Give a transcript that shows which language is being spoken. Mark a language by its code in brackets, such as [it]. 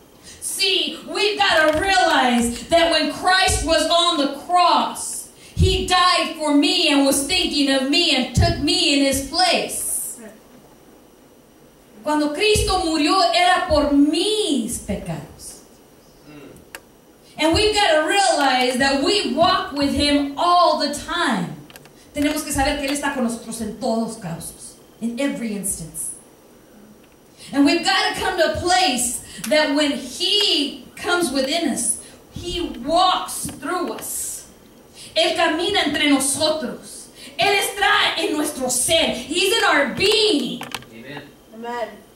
[en] See, we've got to realize that when Christ was on the cross, he died for me and was thinking of me and took me in his place. [es] Cuando Cristo murió, era por mis pecados. [en] And we've got to realize that we walk with him all the time. [es] Tenemos que saber que él está con nosotros en todos casos, [en] in every instance. And we've got to come to a place that when he comes within us, he walks through us. [es] Él camina entre nosotros. Él está en nuestro ser. [en] He's in our being. Amen.